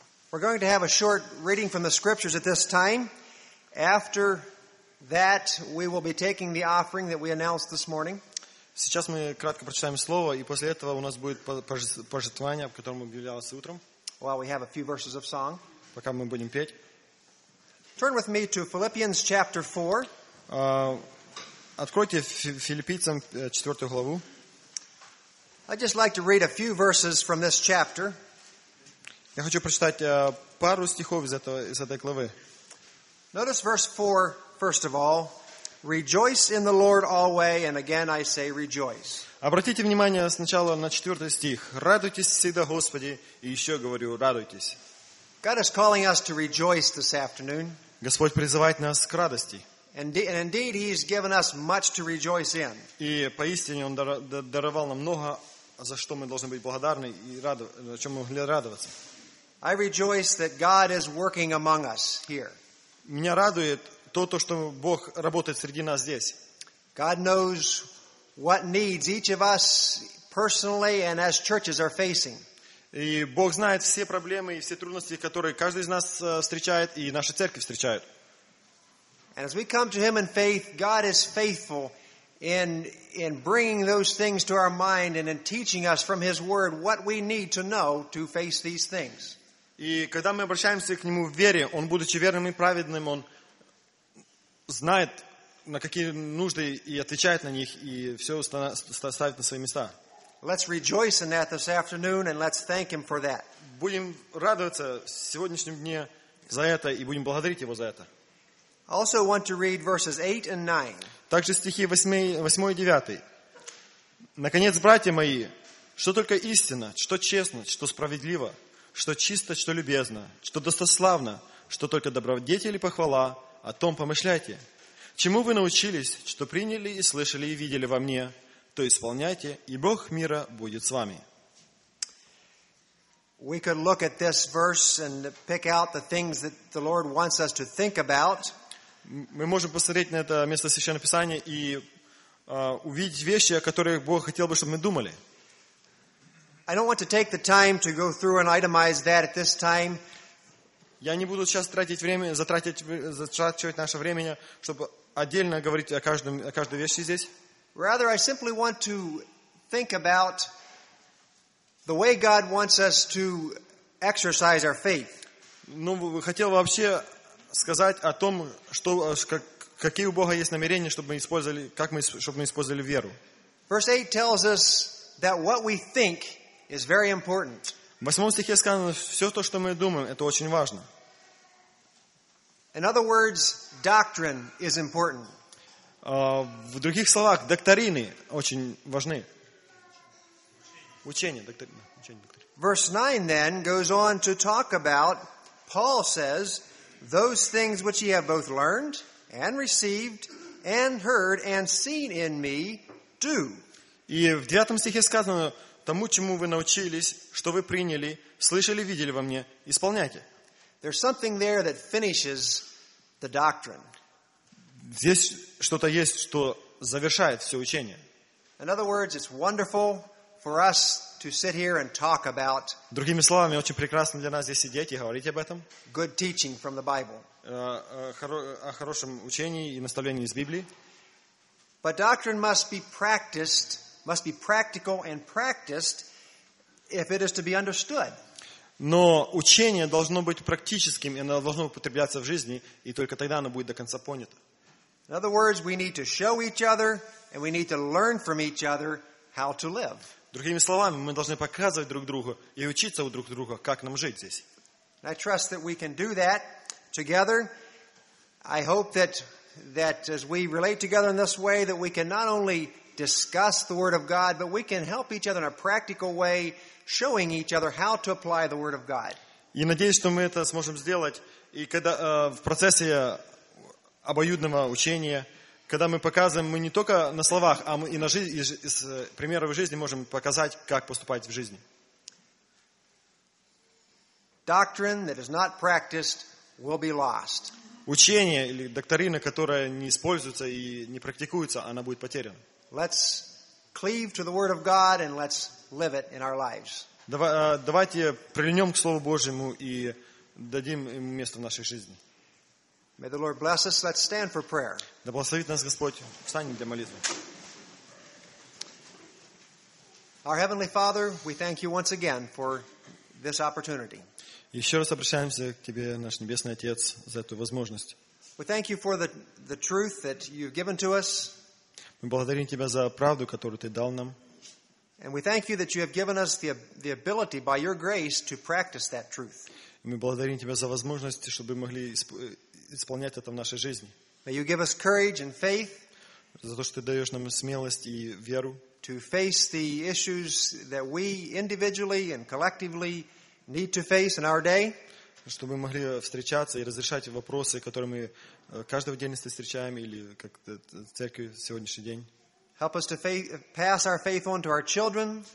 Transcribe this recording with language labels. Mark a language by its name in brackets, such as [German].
[English] We're going to have a short reading from the scriptures at this time. After that, we will be taking the offering that we announced this morning. [Russian] Сейчас мы кратко прочитаем слово, и после этого у нас будет пожертвование, о котором объявлялось утром. [English] While we have a few verses of song. [Russian] Пока мы будем петь. [English] Turn with me to Philippians chapter 4. [Russian] Откройте Филиппийцам 4 главу. [English] I'd just like to read a few verses from this chapter. [Russian] Я хочу прочитать пару стихов из этой главы. [English] Notice verse 4, first of all. Rejoice in the Lord always, and again I say rejoice. [Russian] Обратите внимание сначала на 4 стих. Радуйтесь всегда, Господи, и еще говорю, радуйтесь. [English] God is calling us to rejoice this afternoon. [Russian] Господь призывает нас к радости. [English] And indeed, He's given us much to rejoice in. [Russian] И поистине Он даровал нам много, за что мы должны быть благодарны и о чем мы могли радоваться. [English] I rejoice that God is working among us here. [Russian] Меня радует то, что Бог работает среди нас здесь. [English] God knows what needs each of us personally and as churches are facing. [Russian] И Бог знает все проблемы и все трудности, которые каждый из нас встречает и наша церковь встречает. [English] And as we come to Him in faith, God is faithful in bringing those things to our mind and in teaching us from His Word what we need to know to face these things. [Russian] И когда мы обращаемся к Нему в вере, Он, будучи верным и праведным, Он знает, на какие нужды и отвечает на них, и все ставит на свои места. [English] Let's rejoice in that this afternoon and let's thank Him for that. [Russian] Будем радоваться в сегодняшнем дне за это и будем благодарить Его за это. [English] I also want to read verses 8 and 9. [Russian] Также стихи 8 и 9. Наконец, братья мои, что только истина, что честно, что справедливо, что чисто, что любезно, что достославно, что только добродетель и похвала, о том помышляйте. Чему вы научились, что приняли и слышали и видели во мне, то исполняйте, и Бог мира будет с вами. [English] We could look at this verse and pick out the things that the Lord wants us to think about. [Russian] Мы можем посмотреть на это место Священного Писания и увидеть вещи, о которых Бог хотел бы, чтобы мы думали. [English] I don't want to take the time to go through and itemize that at this time. [Russian] Я не буду сейчас затрачивать наше время, чтобы отдельно говорить о каждой вещи здесь. [English] Rather, I simply want to think about the way God wants us to exercise our faith. [Russian] Ну, хотел вообще сказать о том, что какие у Бога есть намерения, чтобы мы использовали веру. [English] Verse 8 tells us that what we think is very important. [Russian] В 8 стихе сказано, все то, что мы думаем, это очень важно. [English] In other words, doctrine is important. [Russian] В других словах, доктрины очень важны. Учение, доктрины. [English] Verse 9 then goes on to talk about, Paul says, those things which ye have both learned and received and heard and seen in me, do. [Russian] И в 9 стихе сказано, тому, чему вы научились, что вы приняли, слышали, видели во мне, исполняйте. [English] There's something there that finishes the doctrine. [Russian] Здесь что-то есть, что завершает все учение. [English] In other words, it's wonderful for us to sit here and talk about. [Russian] Другими словами, очень прекрасно для нас здесь сидеть и говорить об этом. [English] Good teaching from the Bible. [Russian] О хорошем учении и наставлении из Библии. [English] But doctrine must be practiced, must be practical and practiced, if it is to be understood. [Russian] Но учение должно быть практическим, и оно должно употребляться в жизни, и только тогда оно будет до конца понято. [English] In other words, we need to show each other, and we need to learn from each other how to live. [Russian] Другими словами, мы должны показывать друг другу и учиться у друг друга, как нам жить здесь. [English] I trust that we can do that together. I hope that as we relate together in this way, that we can not only discuss the Word of God, but we can help each other in a practical way, showing each other how to apply the Word of God. [Russian] И надеюсь, что мы это сможем сделать, и когда в процессе обоюдного учения, когда мы показываем, мы не только на словах, а мы и на жизни, из примеров жизни можем показать, как поступать в жизни. [English] Doctrine that is not practiced will be lost. [Russian] Учение или доктрина, которая не используется и не практикуется, она будет потеряна. [English] Let's cleave to the Word of God and let's live it in our lives. [Russian] Давайте прильнем к Слову Божьему и дадим ему место в нашей жизни. [English] May the Lord bless us. Let's stand for prayer. [Russian] Да благословит нас Господь. Встанем для молитвы. [English] Our Heavenly Father, we thank you once again for this opportunity. [Russian] Еще раз обращаемся к Тебе, наш Небесный Отец, за эту возможность. [English] We thank you for the truth that you've given to us. [Russian] Мы благодарим Тебя за правду, которую Ты дал нам. [English] And we thank you that you have given us the ability by your grace to practice that truth. [Russian] Мы благодарим Тебя за возможность, чтобы мы могли исполнять это в нашей жизни. [English] May you give us courage and faith. [Russian] За то, что Ты даешь нам смелость и веру. [English] To face the issues that we individually and collectively need to face in our day. [Russian] Чтобы мы могли встречаться и разрешать вопросы, которые мы каждого дня встречаем или как церкви в сегодняшний день. [English] Help us to pass our faith on to our children.